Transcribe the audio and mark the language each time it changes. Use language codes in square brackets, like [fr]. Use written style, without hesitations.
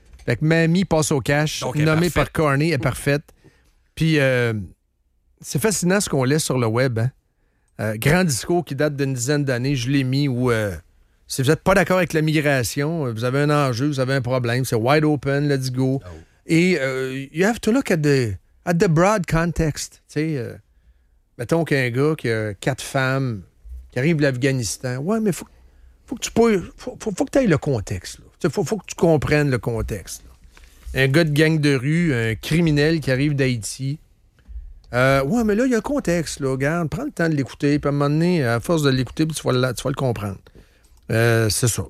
[fr] Fait que mamie passe au cash, nommée par Carney, est parfaite. Puis c'est fascinant ce qu'on laisse sur le web. Hein? Grand discours qui date d'une dizaine d'années, je l'ai mis, où si vous n'êtes pas d'accord avec la migration, vous avez un enjeu, vous avez un problème, c'est [en] wide open, let's go. Oh. Et you have to look at the broad context. [fr] Tu sais, mettons qu'un gars qui a quatre femmes, qui arrive de l'Afghanistan, ouais, mais faut que tu ailles le contexte, là. Faut que tu comprennes le contexte. Un gars de gang de rue, un criminel qui arrive d'Haïti. Ouais, mais là, il y a un contexte, là. Regarde, prends le temps de l'écouter. Puis à un moment donné, à force de l'écouter, tu vas le comprendre. C'est ça.